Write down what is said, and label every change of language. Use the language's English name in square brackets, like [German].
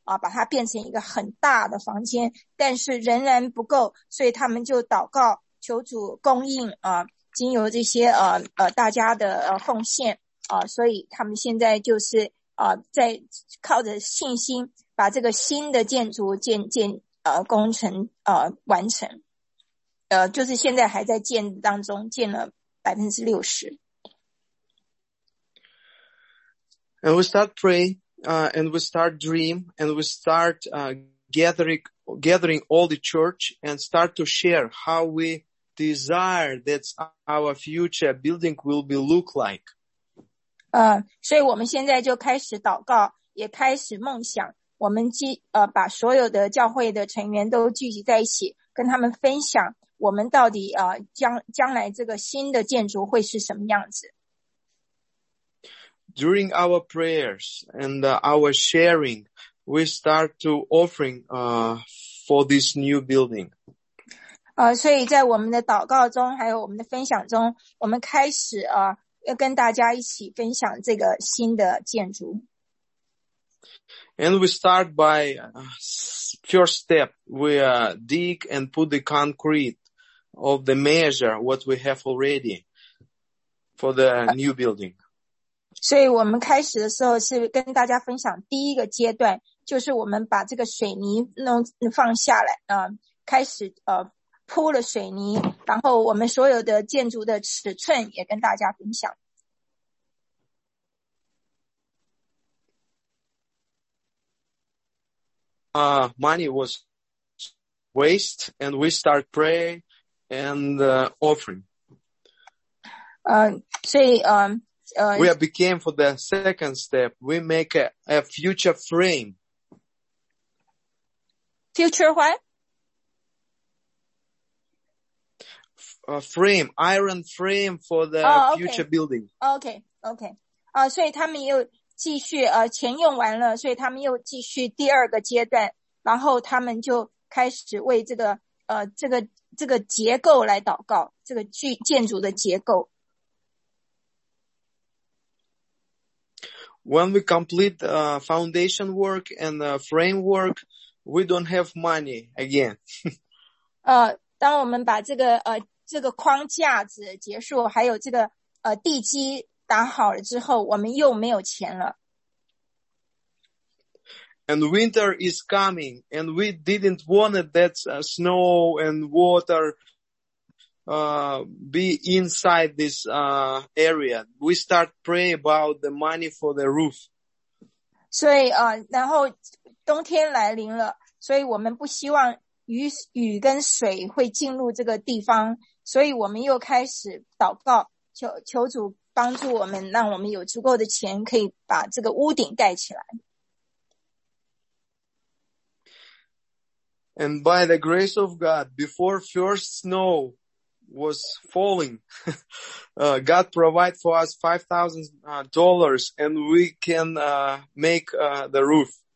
[Chinese] 把它变成一个很大的房间，但是仍然不够，所以他们就祷告求主供应经由这些大家的奉献所以他们现在就是在靠着信心把这个新的建筑工程完成就是现在还在建当中，建了 60%。 [English] And we start praying. And we start dream, and we start gathering all the church and start to share how we desire that our future building will be look like. [Chinese] 所以我们现在就开始祷告，也开始梦想。我们把所有的教会的成员都聚集在一起，跟他们分享我们到底将来这个新的建筑会是什么样子。 [English] During our prayers and our sharing, we start to offering for this new building. [Chinese] 所以在我们的祷告中还有我们的分享中，我们开始要跟大家一起分享这个新的建筑。 [English] And we start by first step. We dig and put the concrete of the measure what we have already for the new building. [Chinese] 所以我们开始的时候是跟大家分享第一个阶段，就是我们把这个水泥放下来开始铺了水泥，然后我们所有的建筑的尺寸也跟大家分享。 [English] Money was waste and we start praying and offering. [Chinese] 所以 [English] We became for the second step. We make a future frame. Future what? A frame, iron frame for the future building. Okay. [Chinese] 所以他们又继续钱用完了，所以他们又继续第二个阶段，然后他们就开始为这个结构来祷告，这个建筑的结构。 [English] When we complete foundation work and framework, we don't have money again. [Chinese] 当我们把这个框架子结束，还有这个地基打好了之后，我们又没有钱了。 [English] And winter is coming, and we didn't want that snow and water be inside this area. We start pray about the money for the roof. [Chinese] 所以然后冬天来临了，所以我们不希望雨跟水会进入这个地方，所以我们又开始祷告，求主帮助我们，让我们有足够的钱可以把这个屋顶盖起来。 [English] And by the grace of God, before first snow. Was falling. God provide for us $5,000 and we can make the roof.